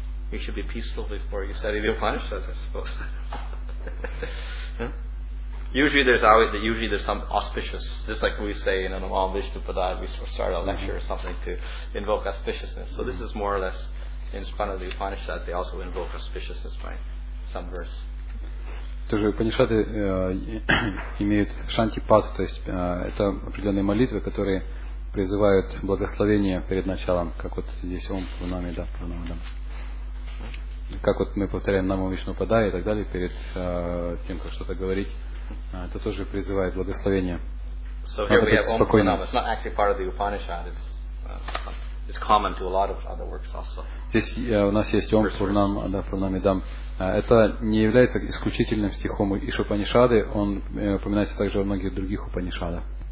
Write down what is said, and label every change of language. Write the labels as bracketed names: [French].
[English] You should be peaceful before you study the Upanishads, I suppose. Usually there's some auspicious, just like we say in an Om Vishnu Padaya, we start a lecture or something to invoke auspiciousness. So this is more or less in front of the Upanishad, they also invoke auspiciousness by some verse. [Russian] Тоже Упанишады имеют шантипату, то есть это определенные молитвы, которые призывают благословение перед началом, как вот здесь Ом Пурнаме, да, Пурнаме, да. Как вот мы повторяем Наму Вишну Падая и так далее, перед тем, как что-то говорить, это тоже призывает благословение. [English] So here we have Om Pranam. It's not actually part of the Upanishad. It's common to a lot of other works also. [Russian] Здесь у нас есть Ом Пурнам, да, Пурнамидам. Это не является исключительным стихом из Упанишады. Он упоминается также во многих других Упанишадах.